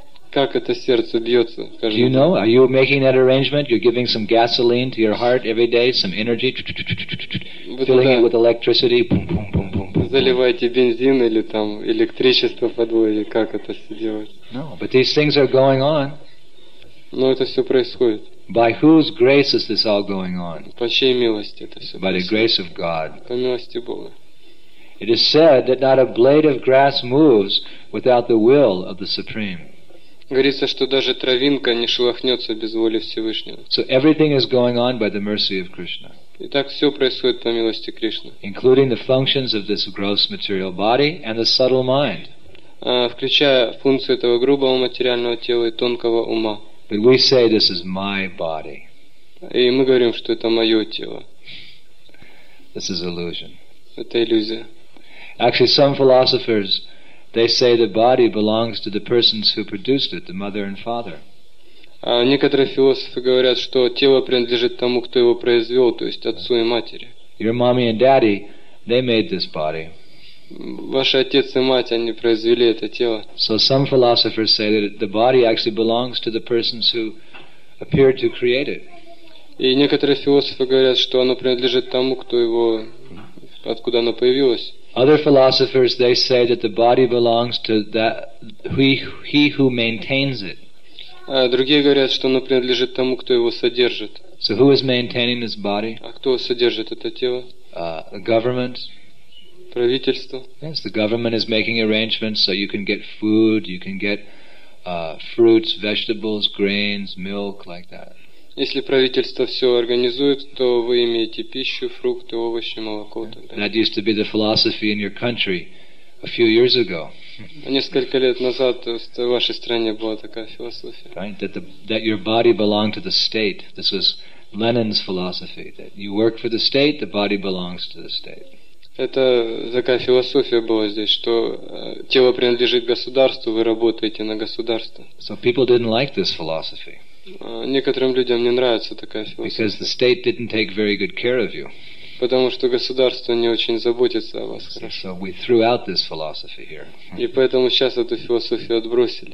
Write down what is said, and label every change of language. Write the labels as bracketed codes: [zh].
[ru] Как это сердце бьется каждый день? [en] You know? Are you making that arrangement? You're giving some gasoline to your heart every day, some energy, filling it with electricity. [ru] Заливаете бензин или там электричество подводите? Как это все делать? [en] No, but these things are going on. [ru] Но это все происходит. [en] By whose grace is this all going on? [ru] По чьей милости это все? [en] By the grace of God. [ru] По милости Бога. [en] It is said that not a blade of grass moves without the will of the Supreme. [ru] Говорится, что даже травинка не шелохнется без воли Всевышнего. [en] So everything is going on by the mercy of Krishna. [ru] Итак, все происходит по милости Кришны. [en] Including the functions of this gross material body and the subtle mind. [ru] Включая функции этого грубого материального тела и тонкого ума. [en] But we say this is my body. [ru] И мы говорим, что это мое тело. [en] This is illusion. [ru] Это иллюзия. [en] Actually, some philosophers, they say the body belongs to the persons who produced it, the mother and father. [ru] Некоторые философы говорят, что тело принадлежит тому, кто его произвел, то есть отцу и матери. [en] Your mommy and daddy, they made this body. [ru] Ваши отец и мать, они произвели это тело. [en] So some philosophers say that the body actually belongs to the persons who appeared to create it. [ru] И некоторые философы говорят, что оно принадлежит тому, кто его, откуда оно появилось. [en] Other philosophers, they say that the body belongs to that he who maintains it. [ru] Другие говорят, что оно принадлежит тому, кто его содержит. [en] So who is maintaining this body? [ru] А кто содержит это тело? [en] The government. [ru] Правительство. [en] Yes, the government is making arrangements so you can get food, you can get fruits, vegetables, grains, milk, like that. [ru] Если правительство все организует, то вы имеете пищу, фрукты, овощи, молоко. [en] That used to be the philosophy in your country a few years ago. [ru] Несколько лет назад в вашей стране была такая философия. [en] Right, that your body belonged to the state. This was Lenin's philosophy. That you work for the state, the body belongs to the state. [ru] Это такая философия была здесь, что тело принадлежит государству, вы работаете на государство. [en] So people didn't like this philosophy. [ru] Некоторым людям не нравится такая философия. [en] Because the state didn't take very good care of you. [ru] Потому что государство не очень заботится о вас. [en] So we threw out this philosophy here. [ru] И поэтому сейчас эту философию отбросили.